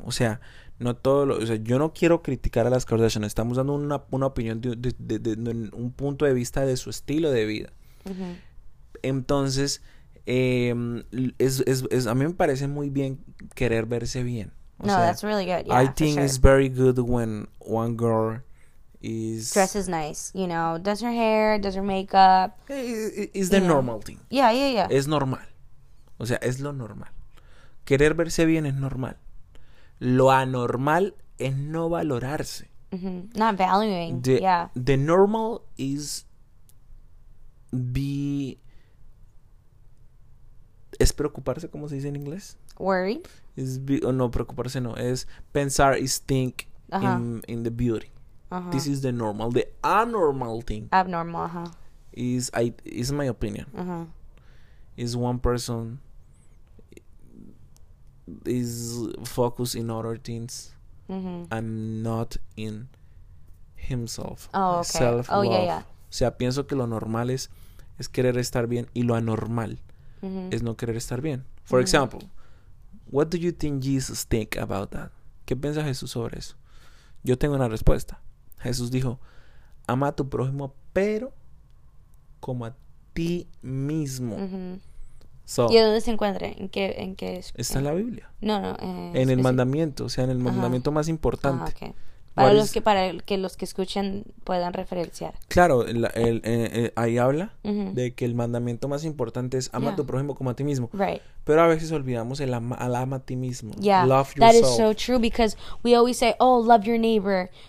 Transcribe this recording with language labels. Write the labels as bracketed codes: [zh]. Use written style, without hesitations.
[es] O sea, no todo lo... O sea, yo no quiero criticar a las Kardashian. Estamos dando una opinión de un punto de vista de su estilo de vida. Uh-huh. Entonces, a mí me parece muy bien querer verse bien. [en] That's really good. Yeah, I think sure. It's very good when one girl is... dresses nice, you know, does her hair, does her makeup. Is the normal thing. Yeah. [es] Es normal. O sea, es lo normal. Querer verse bien es normal. Lo anormal es no valorarse. [en] Mm-hmm. Not valuing, The normal is be... [es] ¿Es preocuparse, como se dice en inglés? [en] Worry. [es] Es pensar, [en] is think in the beauty. Uh-huh. This is the normal, the abnormal thing. Abnormal, huh? Is my opinion. Uh-huh. Is one person is focused in other things, mm-hmm. and not in himself. Oh, okay. Self-love. Oh, yeah. [es] O sea, pienso que lo normal es querer estar bien, y lo anormal, mm-hmm. es no querer estar bien. For mm-hmm. [en] example, what do you think Jesus think about that? [es] ¿Qué piensa Jesús sobre eso? Yo tengo una respuesta. Jesús dijo, ama a tu prójimo, pero como a ti mismo. Mm-hmm. ¿Y dónde se encuentra? ¿En qué? Está en la Biblia. No. En el mandamiento, o sea, en el mandamiento más importante. Ah, okay. Para que los que escuchen puedan referenciar. Claro, ahí habla de que el mandamiento más importante es ama a tu prójimo como a ti mismo. [en] Right. [es] Pero a veces olvidamos el ama a ti mismo. Yeah. [en] Love yourself. That is so true, because we always say, oh, love your neighbor.